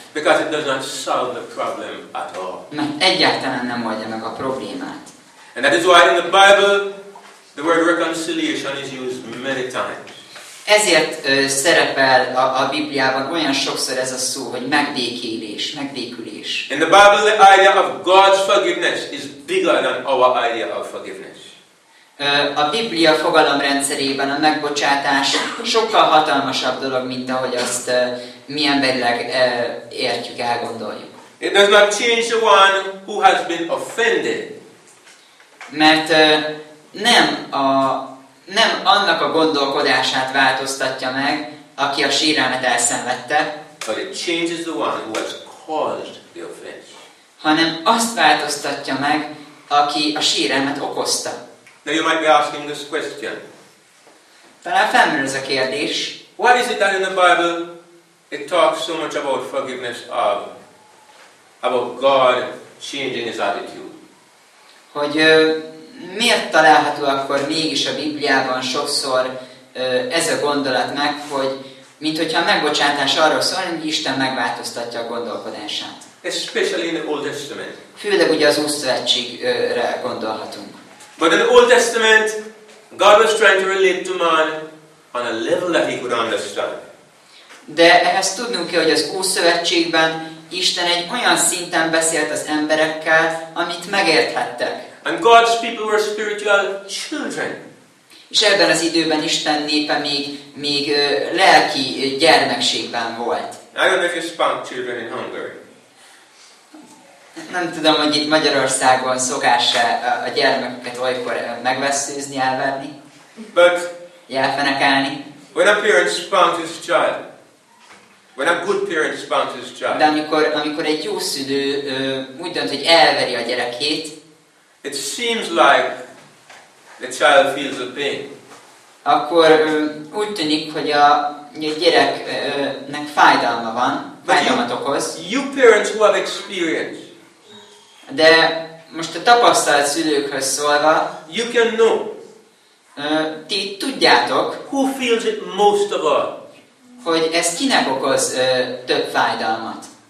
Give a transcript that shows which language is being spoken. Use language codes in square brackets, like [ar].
[en] Because it does not solve the problem at all. [hu] Mert egyáltalán nem oldja meg a problémát. [en] And that is why in the Bible the word reconciliation is used many times. [hu] Ezért szerepel a Bibliában olyan sokszor ez a szó, hogy megbékélés, megbékülés. [en] In the Bible the idea of God's forgiveness is bigger than our idea of forgiveness. [hu] A Biblia fogalomrendszerében a megbocsátás sokkal hatalmasabb dolog, mint ahogy azt mi emberileg értjük, elgondoljuk. [en] It does not change the one who has been offended. [hu] Mert nem annak a gondolkodását változtatja meg, aki a sérelmet elszenvedte. [en] but it changes the one who has caused the offense. [hu] Hanem azt változtatja meg, aki a sérelmet okozta. [en] Now you might be asking this question. [hu] Talán felmerül ez a kérdés. [en] Why is it that in the Bible it talks so much about forgiveness of about God changing his attitude? [hu] Hogy miért található akkor mégis a Bibliában sokszor ez a gondolat meg, hogy minthogyha a megbocsátás arról szól, hogy Isten megváltoztatja a gondolkodását. [en] Especially in the Old Testament. [hu] Főleg ugye az Ószövetségre gondolhatunk. [en] But in the Old Testament, God was trying to relate to man on a level that he could understand. [hu] De ehhez tudnunk kell, hogy az Ószövetségben Isten egy olyan szinten beszélt az emberekkel, amit megérthettek. [en] And God's people were spiritual children. [hu] És ebben az időben Isten népe még lelki gyermekségben volt. [en] I don't know if you spank children in Hungary. [hu] Nem tudom, hogy itt Magyarországon szokás-e a gyermekeket olykor megvesszőzni, elverni. [en] But [hu] jelfenekelni. [en] When a parent spanks his child, when a good parent spanks his child. [hu] De amikor egy jó szülő úgy dönt, hogy elveri a gyerekét, [en] it seems like the child feels the pain. [hu] Akkor úgy tűnik, hogy a gyereknek fájdalma van, fájdalmat okoz. [en] You parents who have experience. [hu] De most a tapasztalt szülőkhöz szólva, [en] you can know. [hu] Ti tudjátok, [en] who feels it most of all. [hu] Hogy ez kinek okoz több fájdalmat.